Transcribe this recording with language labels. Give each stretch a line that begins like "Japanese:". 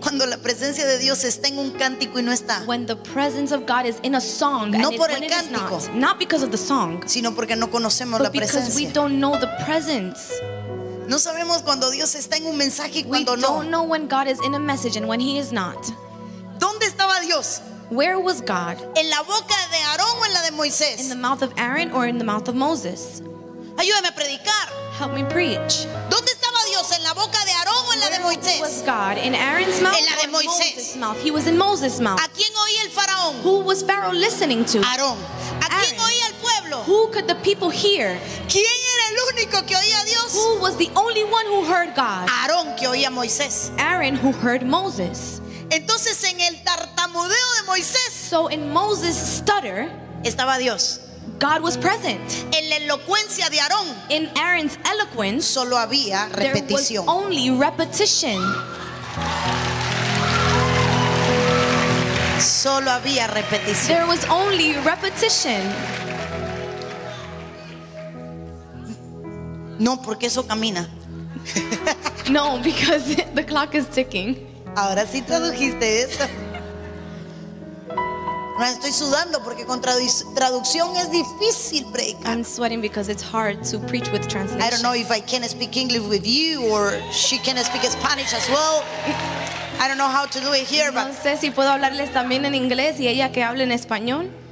Spanish: Cuando la presencia de Dios está en un cántico y no está.
English: When the presence of God is in a song.
Spanish: No
English: and
Spanish: por
English: it,
Spanish: el cántico.
English: Not, not because of the song.
Spanish: Sino porque no conocemos la presencia.
English: Because we don't know the presence.
Spanish: No sabemos cuando Dios está en un mensaje y cuando
English: we
Spanish: no.
English: We don't know when God is in a message and when he is not.
Spanish: ¿Dónde estaba Dios?
English: Where was God?
Spanish: ¿En la boca de Aarón o en la de Moisés?
English: In the mouth of Aaron or in the mouth of Moses?
Spanish: Ayúdame a predicar.
English: Help me preach.
Spanish: ¿Dónde estaba Dios? ¿En la boca de Aarón o en la de Moisés?
English: Where was God? In Aaron's mouth
Spanish: en la de
English: or Moses. Moses' mouth? He was in Moses' mouth.
Spanish: ¿A quién oía el faraón?
English: Who was Pharaoh listening to?
Spanish: Aarón. ¿A quién oía el pueblo?
English: Who could the people hear?
Spanish: ¿Quién era el único que oía a Dios?
English: Who was the only one who heard God?
Spanish: Aarón que oía a Moisés.
English: Aaron who heard Moses.
Spanish: Entonces en el tartamudeo de Moisés,
English: so in Moses' stutter,
Spanish: estaba Dios.
English: God was present.
Spanish: En la elocuencia de Aarón,
English: in Aaron's eloquence,
Spanish: solo había repetición.
English: There was only repetition.
Spanish: Solo había repetición.
English: There was only repetition.
Spanish: No, porque eso camina.
English: No, because the clock is ticking.
Spanish: Ahora sí tradujiste eso. Me estoy sudando porque con traducción es difícil predicar.
English: I'm sweating because it's hard to preach with translation. I don't know if I can speak English with you or she can speak Spanish as well. I don't know how to do it here, but
Spanish: no sé si puedo hablarles también en inglés y ella que hable en español.